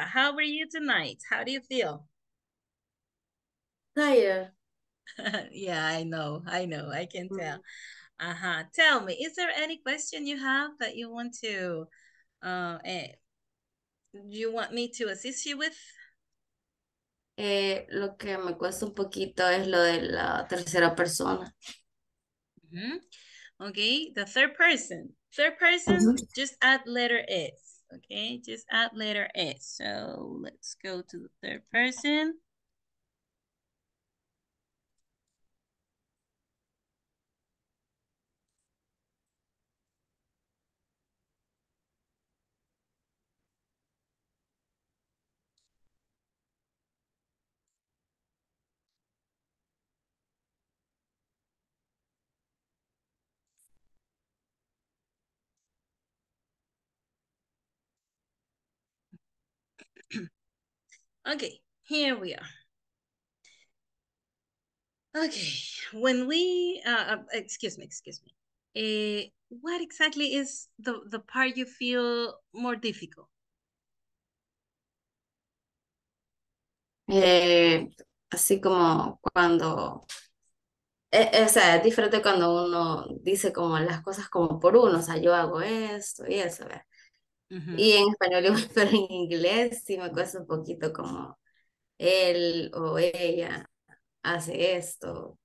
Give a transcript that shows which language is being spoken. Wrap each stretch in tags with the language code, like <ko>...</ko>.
<en>How are you tonight? How do you feel? Tired. Yeah, I know, I can tell. Uh-huh. Tell me, is there any question you have that you want to you want me to assist you with?</en> <es>Lo que me cuesta un poquito es lo de la tercera persona.</es> <en>Mm-hmm. Okay, the third person. Third person, mm-hmm. Just add letter S. Okay, just add letter S. So let's go to the third person. Okay, here we are. Okay, when we, excuse me, what exactly is the part you feel more difficult?</en> <es>Así como cuando, o sea, es diferente cuando uno dice como las cosas como por uno, o sea, yo hago esto y eso, ¿verdad? Uh-huh. Y en español, pero en inglés sí me cuesta un poquito como él o ella hace esto.</es>